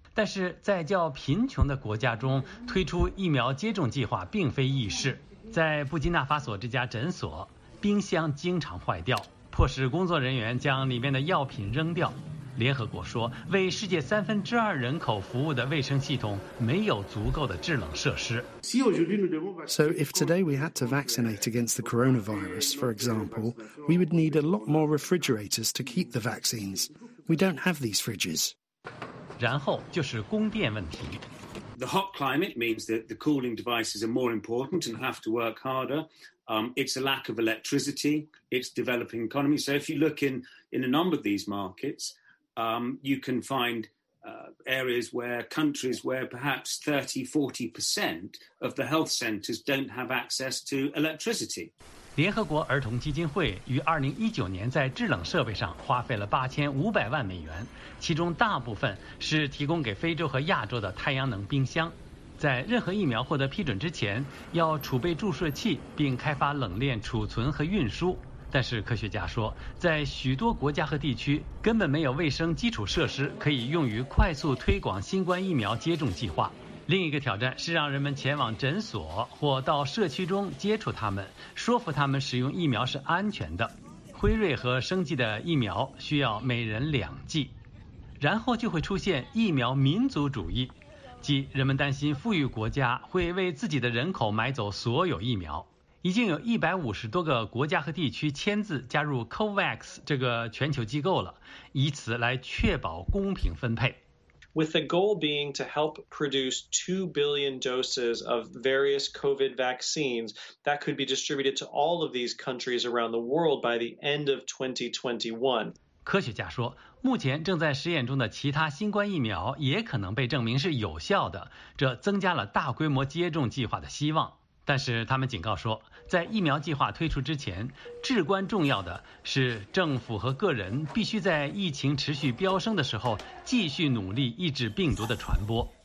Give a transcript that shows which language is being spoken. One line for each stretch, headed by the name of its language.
Chinese: 但是在较贫穷的国家中，推出疫苗接种计划并非易事。在布基纳法索这家诊所，冰箱经常坏掉，迫使工作人员将里面的药品扔掉。联合国说，为世界2/3人口服务的卫生系统没有足够的制冷设施。
English: So if today we had to vaccinate against the coronavirus, for example, we would need a lot more refrigerators to keep the vaccines. We don't have these fridges.
Chinese: 然后就是供电问题。
English: The hot climate means that the cooling devices are more important and have to work harder. It's a lack of electricity. It's developing economy. So if you look in a number of these markets,you can find areas where countries where perhaps 30-40% of the health centers don't have access to electricity.
Chinese: 联合国儿童基金会于2019年在制冷设备上花费了$85,000,000，其中大部分是提供给非洲和亚洲的太阳能冰箱。在任何疫苗获得批准之前，要储备注射器，并开发冷链储存和运输。但是科学家说，在许多国家和地区根本没有卫生基础设施可以用于快速推广新冠疫苗接种计划。另一个挑战是让人们前往诊所或到社区中接触他们，说服他们使用疫苗是安全的。辉瑞和生技的疫苗需要每人2剂，然后就会出现疫苗民族主义，即人们担心富裕国家会为自己的人口买走所有疫苗。已经有150多个国家和地区签字加入 COVAX 这个全球机构了，以此来确保公平分配。
English: With the goal being to help produce 2 billion doses of various COVID vaccines that could be distributed to all of these countries around the world by the end of 2021.
Chinese: 科学家说，目前正在实验中的其他新冠疫苗也可能被证明是有效的，这增加了大规模接种计划的希望。但是他们警告说，在疫苗计划推出之前，至关重要的是政府和个人必须在疫情持续飙升的时候继续努力抑制病毒的传播。